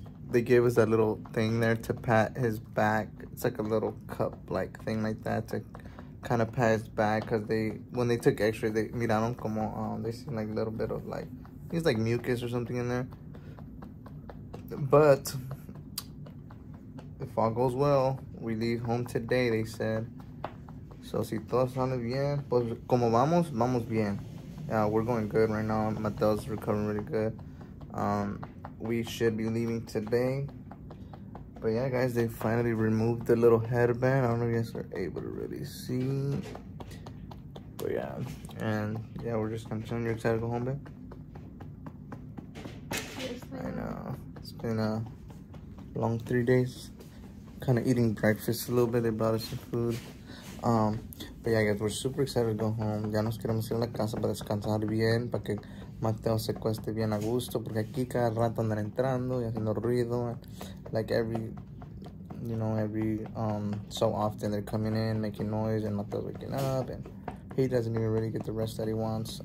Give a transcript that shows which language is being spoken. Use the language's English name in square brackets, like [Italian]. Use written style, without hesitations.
[English] They gave us that little thing there to pat his back. It's like a little cup-like thing like that to kind of pat his back. Because when they took x-ray, they [Spanish] miraron como, [English] they seen like a little bit of like, he's like mucus or something in there. But if all goes well, we leave home today, they said. [Spanish] So si todo sale bien, pues como vamos, vamos bien. [English] We're going good right now. Mateo's recovering really good. We should be leaving today. But yeah, guys, they finally removed the little headband. I don't know if you guys are able to really see. But yeah. And yeah, we're just continuing. You're excited to go home, babe? Yes, I know. It's been a long 3 days. Kind of eating breakfast a little bit. They brought us some food. But yeah, guys, we're super excited to go home. [Spanish] Ya nos queremos ir a la casa para descansar bien, para que Mateo se cueste bien a gusto, porque aquí cada rato andan entrando y haciendo ruido. [English] Like every, you know, every so often they're coming in, making noise, and Mateo's waking up, and he doesn't even really get the rest that he wants.